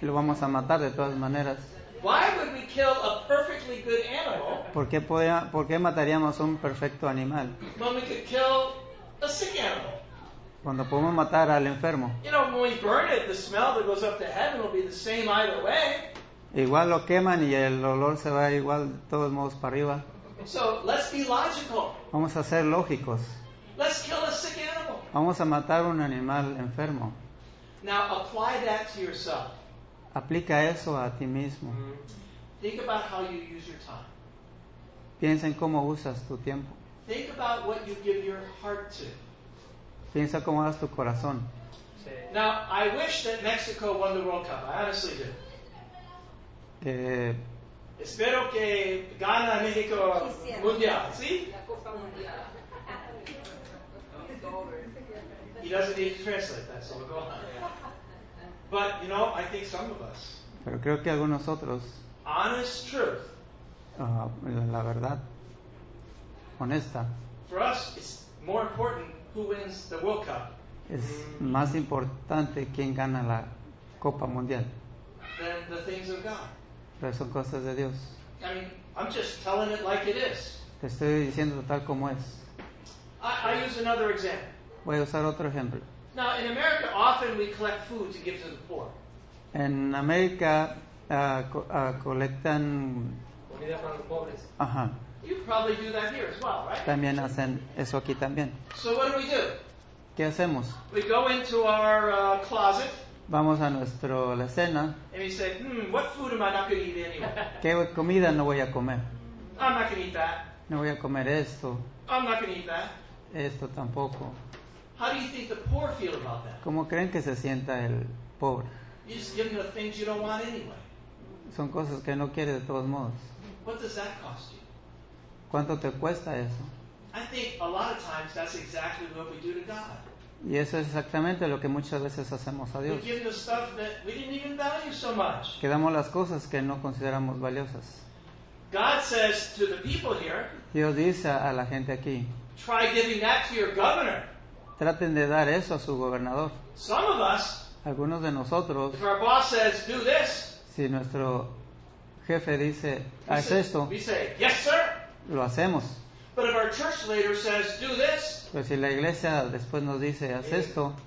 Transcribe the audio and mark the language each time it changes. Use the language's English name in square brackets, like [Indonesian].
[Spanish] Lo vamos a matar de todas maneras. [English] Why would we kill a perfectly good animal? [Spanish] ¿Por qué mataríamos un perfecto animal? [English] When we could kill a sick animal. [Spanish] Cuando podemos matar al enfermo. [English] You know, when we burn it, the smell that goes up to heaven will be the same either way. [Spanish] Igual lo queman y el olor se va igual de todos modos para arriba. [English] So let's be logical. [Spanish] Vamos a ser lógicos. [English] Let's kill a sick animal. [Spanish] Vamos a matar un animal enfermo. [English] Now apply that to yourself. [Spanish] Aplica eso a ti mismo. [English] Think about how you use your time. [Spanish] Piensa en cómo usas tu tiempo. [English] Think about what you give your heart to. [Spanish] Piensa cómo das tu corazón. [English] Now, I wish that Mexico won the World Cup. I honestly do. [Spanish] Espero que gane México Mundial, ¿sí? La Copa Mundial. [English] He doesn't need to translate that, so we'll go on. But you know, I think some of us. [Spanish] Pero creo que algunos otros. [English] Honest truth. [Spanish] La verdad. Honesta. [English] For us, it's more important who wins the World Cup. [Spanish] Es más importante quién gana la Copa Mundial. [English] Than the things of God. [Spanish] Pero son cosas de Dios. [English] I mean, I'm just telling it like it is. [Spanish] Te estoy diciendo tal como es. [English] I use another example. [Spanish] Voy a usar otro ejemplo. [English] Now, in America, often we collect food to give to the poor. [Spanish] En América colectan comida para los pobres. Ajá. [English] You probably do that here as well, right? [Spanish] También hacen eso aquí también. [English] So what do we do? [Spanish] ¿Qué hacemos? [English] We go into our closet. [Spanish] Vamos a nuestro la cena. [English] And we say, what food am I not going to eat anyway? [Spanish] ¿Qué comida no voy a comer? [English] I'm not going to eat that. [Spanish] No voy a comer esto. [English] I'm not going to eat that. [Spanish] Esto tampoco. [English] How do you think the poor feel about that? [Spanish] ¿Cómo creen que se sienta el pobre? [English] You just give them the things you don't want anyway. [Spanish] Son cosas que no quiere de todos modos. [English] What does that cost you? [Spanish] ¿Cuánto te cuesta eso? [English] I think a lot of times that's exactly what we do to God. [Spanish] Y eso es exactamente lo que muchas veces hacemos a Dios. [English] We give the stuff that we didn't even value so much. [Spanish] Que damos las cosas que no consideramos valiosas. [English] God says to the people here, [Spanish] Dios dice a la gente aquí, [English] try giving that to your governor. [Spanish] Traten de dar eso a su gobernador. [English] Some of us, [Spanish] algunos de nosotros, [English] if our boss says, do this, [Spanish] si nuestro jefe dice, haz esto, [English] we say, yes, sir. [Spanish] Lo hacemos. [English] But if our church leader says, do this, [Spanish] pero si la iglesia después nos dice, haz esto,